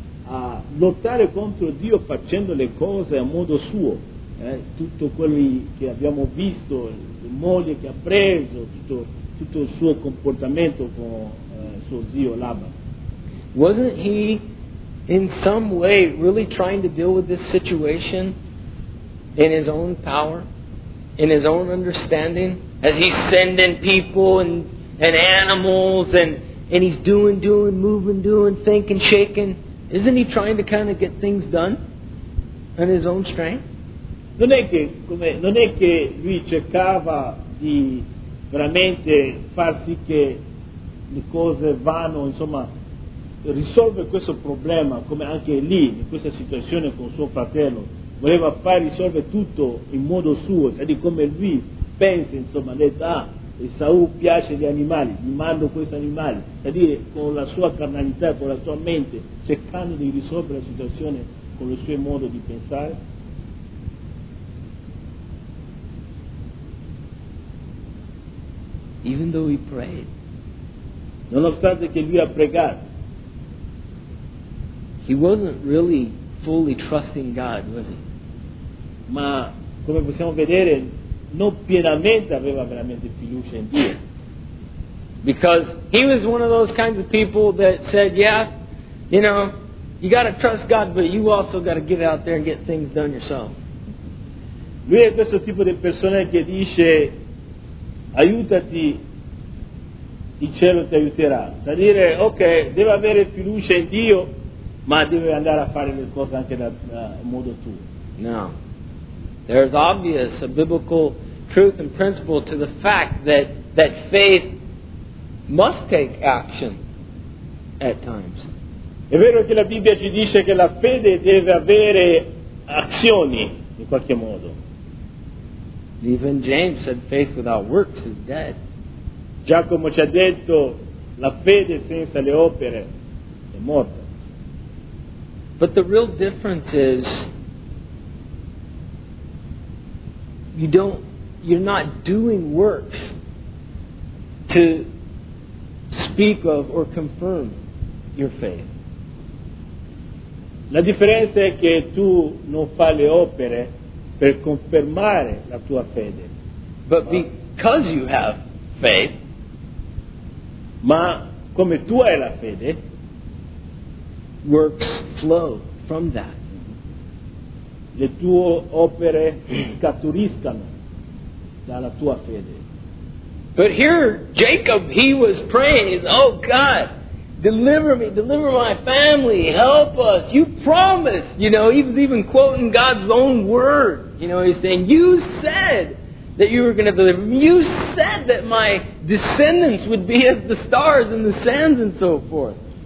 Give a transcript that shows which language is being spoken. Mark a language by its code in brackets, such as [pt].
[it] a lottare contro Dio facendo le cose a modo suo, tutto quello che abbiamo visto, la moglie che ha preso, tutto il suo comportamento con suo zio Laban. [en] Wasn't he in some way really trying to deal with this situation in his own power, in his own understanding, as he's sending people and animals and he's doing, moving, doing, thinking, shaking? Isn't he trying to kind of get things done? in his own strength. [it] Non è che, come, non è che lui cercava di veramente far sì che le cose vanno, insomma, risolve questo problema, come anche lì, in questa situazione con suo fratello, voleva far risolvere tutto in modo suo, cioè di come lui pensa, insomma, ha detto, ah, Esaù piace gli animali, gli mando questi animali, cioè dire, con la sua carnalità, con la sua mente, cercando di risolvere la situazione con il suo modo di pensare. [en] Even though he prayed, [it] nonostante che lui ha pregato, [en] he wasn't really fully trusting God, was he? [it] Ma come possiamo vedere, non pienamente aveva veramente fiducia in Dio. [en] Because he was one of those kinds of people that said, yeah, you know, you got to trust God, but you also got to get out there and get things done yourself. [it] Lui è questo tipo di persona che dice, aiutati, il cielo ti aiuterà. Da dire, ok, deve avere fiducia in Dio, ma deve andare a fare le cose anche da modo tuo. [en] No. There's obvious a biblical truth and principle to the fact that faith must take action at times. [it] È vero che la Bibbia ci dice che la fede deve avere azioni in qualche modo. [en] Even James said, "Faith without works is dead." [it] Giacomo ci ha detto, la fede senza le opere è morta. [en] But the real difference is, you're not doing works to speak of or confirm your faith. [it] La differenza è che tu non fai le opere per confermare la tua fede. [en] But because you have faith, [it] ma come tu hai la fede, [en] works flow from that. [it] Le tue opere scaturiscano dalla tua fede. [en] But here, Jacob, he was praying, oh God, deliver me, deliver my family, help us. You promised, you know, he was even quoting God's own word. You know, he's saying, you said that you were going to deliver me. You said that my descendants would be as the stars and the sands and so forth.